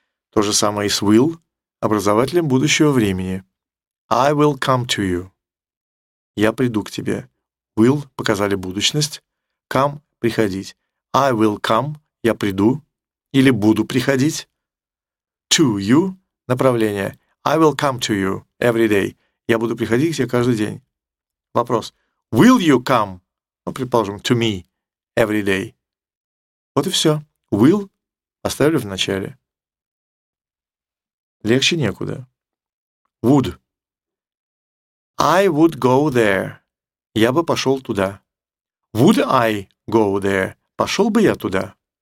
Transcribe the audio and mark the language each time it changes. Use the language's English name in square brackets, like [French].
[Russian] То же самое и с will, образователем будущего времени. [English] I will come to you. [Russian] Я приду к тебе. Will показали будущность. Come — приходить. [English] I will come. [Russian] Я приду или буду приходить. [English] To you — направление. I will come to you every day. [Russian] Я буду приходить к тебе каждый день. Вопрос. [English] Will you come? [Russian] Ну, предположим, [English] to me every day. [Russian] Вот и все. Will оставили в начале. Легче некуда. [English] Would. I would go there. [Russian] Я бы пошел туда. [English] Would I go there? [Russian] Пошел бы я туда.